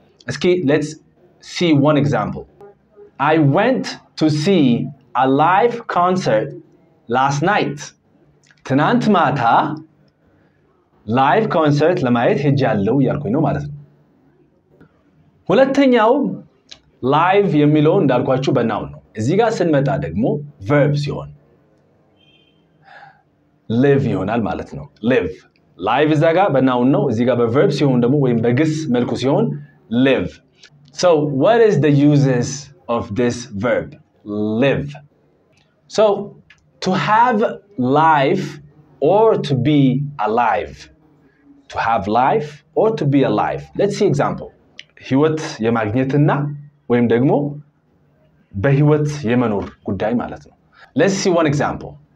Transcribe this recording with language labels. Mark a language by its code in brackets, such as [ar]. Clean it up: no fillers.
[en] እስኪ let's see one example. I went to see a live concert last night. [am] ትናንት ማታ live concert ለማየት ሄጃለሁ ያልኩኝ ነው ማለት ነው። ሁለተኛው live የሚለው እንዳልኳችሁ በናው ነው። እዚህ ጋር ስንመጣ ደግሞ verb ሲሆን live ይሆናል ማለት ነው። live live እዛ ጋር በናው ነው። እዚህ ጋር በverb ሲሆን ደግሞ ወይም በግስ መልኩ ሲሆን live. [en] so what is the uses of this verb live? so to have life or to be alive. to have life or to be alive. let's see example. [am] ህይወት የማግኘትና ወይም ደግሞ በህይወት የመኖር ጉዳይ ማለት ነው። [en] let's see one example.